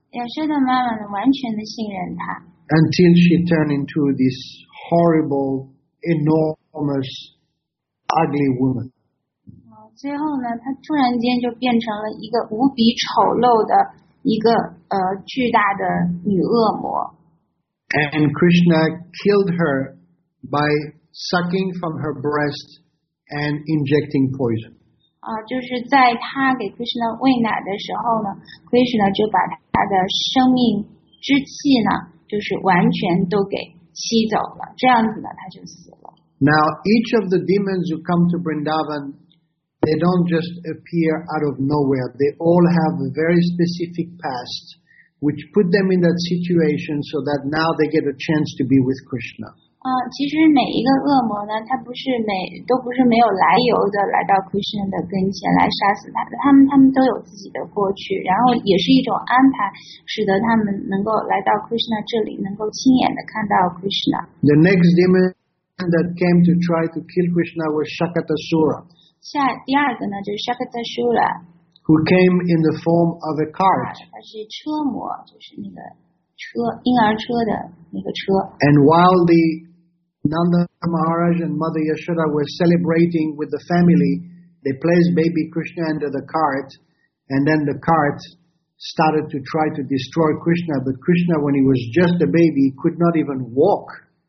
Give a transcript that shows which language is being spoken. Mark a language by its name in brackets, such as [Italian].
[Chinese] 亚瑟达妈妈呢，完全的信任她。 [English] Until she turned into this horrible, enormous, ugly woman. [Chinese] 最后呢，她突然间就变成了一个无比丑陋的一个巨大的女恶魔。 [English] And Krishna killed her by sucking from her breast and injecting poison. [Chinese] 就是在她给 Krishna 喂奶的时候呢 ，Krishna 就把她。他的生命之气呢，就是完全都给吸走了，这样子呢，他就死了。 [English] Now, each of the demons who come to Vrindavan, they don't just appear out of nowhere. They all have a very specific past, which put them in that situation so that now they get a chance to be with Krishna. [Chinese] 其实每一个恶魔呢，他不是每都不是没有来由的来到 Krishna 的跟前来杀死他，他们都有自己的过去，然后也是一种安排，使得他们能够来到 Krishna 这里，能够亲眼的看到 Krishna. [English] The next demon that came to try to kill Krishna was Shakatasura. [Chinese] 下第二个呢，就是 Shakatasura, [English] who came in the form of a cart. [Chinese] 他是车魔，就是那个车婴儿车的那个车。 [English] And while the Nanda Maharaj and Mother Yashoda were celebrating with the family, they placed baby Krishna under the cart, and then the cart started to try to destroy Krishna. But Krishna, when he was just a baby, could not even walk.